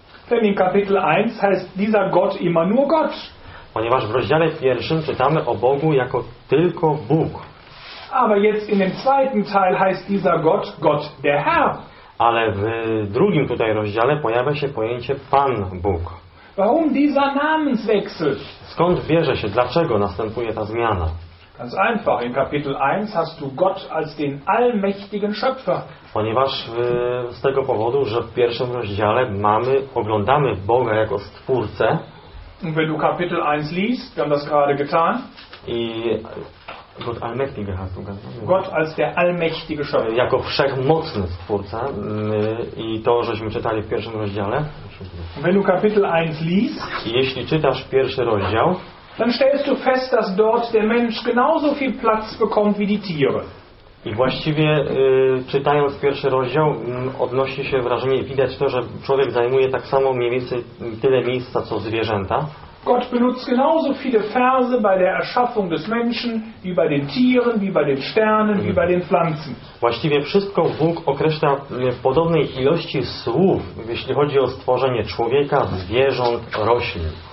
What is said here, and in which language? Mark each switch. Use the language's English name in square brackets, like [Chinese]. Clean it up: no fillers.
[German] Denn in Kapitel 1 heißt dieser Gott immer nur Gott. [Polish] Ponieważ w rozdziale pierwszym czytamy o Bogu jako tylko Bóg. [German] Aber jetzt in dem zweiten Teil heißt dieser Gott Gott der Herr. [Polish] Ale w drugim tutaj rozdziale pojawia się pojęcie Pan Bóg. [German] Warum dieser Namenswechsel? [Polish] Skąd bierze się, dlaczego następuje ta zmiana? [German] Ganz einfach, in Kapitel 1 hast du Gott als den allmächtigen Schöpfer. [Polish] Ponieważ z tego powodu, że w pierwszym rozdziale oglądamy Boga jako Stwórcę. [German] Und wenn du Kapitel 1 liest, wir haben das gerade getan. [Polish] I [German] Gott allmächtiger hast du gesagt. Gott als der allmächtige Schöpfer. [Polish] Jako wszechmocny Stwórca. I to, żeśmy czytali w pierwszym rozdziale. [German] Und wenn du Kapitel 1 liest. [Polish] Jeśli czytasz pierwszy rozdział. [German] Dann stellst du fest, dass dort der Mensch genauso viel Platz bekommt wie die Tiere. [Polish] I właściwie czytając pierwszy rozdział odnosi się wrażenie, widać to, że człowiek zajmuje tak samo mniej więcej tyle miejsca co zwierzęta. [German] Gott benutzt genauso viele Verse bei der Erschaffung des Menschen wie bei den Tieren, wie bei den Sternen, wie bei den Pflanzen. [Polish] Właściwie wszystko Bóg określa w podobnej ilości słów, jeśli chodzi o stworzenie człowieka, zwierząt, roślin.